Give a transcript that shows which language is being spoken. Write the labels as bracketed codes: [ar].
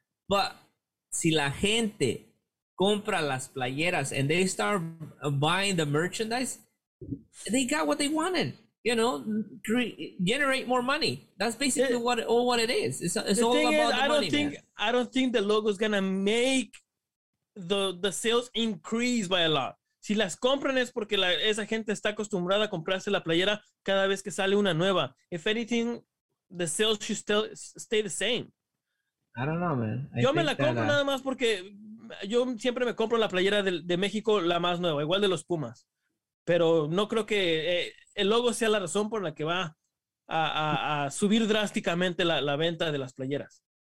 [en] But [es] si la gente compra las playeras [en] and they start buying the merchandise, they got what they wanted. You know, generate more money. That's basically what it is. It's all about the money. I don't think the logo is gonna make the sales increase by a lot. [es] Si las compran es porque esa gente está acostumbrada a comprarse la playera cada vez que sale una nueva. [en] If anything, the sales should still stay the same. I don't know, man. [es] Yo me la compro nada más porque yo siempre me compro la playera de México la más nueva, igual de los Pumas. Pero no creo que el logo sea la razón por la que va a subir drásticamente la venta de las playeras.